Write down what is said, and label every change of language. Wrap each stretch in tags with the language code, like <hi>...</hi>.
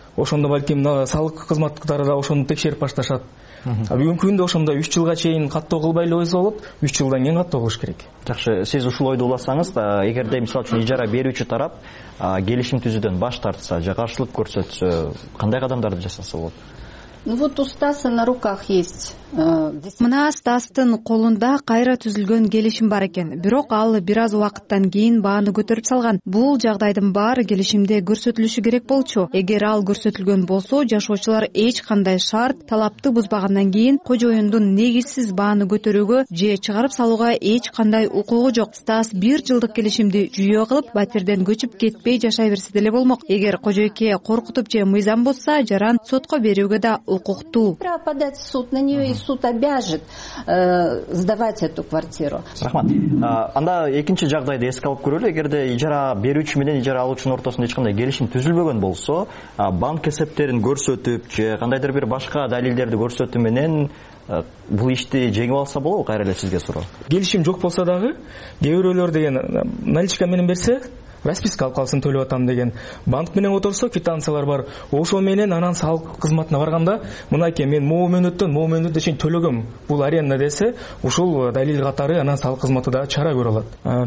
<ky>Ошондо балким салык кызматтары да ошону текшерип башташат. Бүгүнкү күндө ошондой 3 жылга чейин каттоо кылбай эле койсо болот, 3 жылдан кийин каттоо кылыш керек. Жакшы, сиз ушул ойду уласаңыз, эгерде мисалы үчүн ижара берүүчү тарап келишим түзүүдөн баш тартса же каршылык көрсөтсө, кандай кадамдарды жасаса болот?</ky> <ru>Ну вот у Стаса на руках есть.</ru> <ky>Мына Стастын колунда кайра түзүлгөн келишим бар экен, бирок ал бир аз убакыттан кийин бааны көтөрүп салган. Бул жагдайдын баары келишимде көрсөтүлүшү керек болчу. Эгер ал көрсөтүлгөн болсо, жашоочулар эч кандай шарт талапты бузбагандан кийин кожоюндун негизсиз бааны көтөрүүгө же чыгарып салууга эч кандай укугу жок. Стас 1 жылдык келишимди жүйө кылып батирден көчүп кетпей жашай берсе деле болмок. Эгер кожойке коркутуп же мыйзам бузса, жаран сотко берүүгө да укуктуу.</ky> <ru>Право подать в суд на нее, и суд обяжет сдавать эту квартиру.</ru> <ky>Рахмат. Анда экинчи жагдайды эске алып көрөлү. Эгерде ижара берүүчү менен ижара алуучунун ортосунда эч кандай келишим түзүлбөгөн болсо, банк эсептерин көрсөтүп же кандайдыр бир башка далилдерди көрсөтүү менен бул ишти жеңип алса болобу? Кайра эле сизге суроо. Келишим жок болсо дагы, кээ бирөөлөр деген наличка менен берсе, расписка алып калсын төлөп атам деген, банк менен которсо квитанциялар бар, ошол менен анан салык кызматына барганда, мынакей мен могу мөөнөттөн могу мөөнөткө чейин төлөгөм бул аренда десе, ушул далил катары анан салык кызматы дагы чара көрө алат.</ky>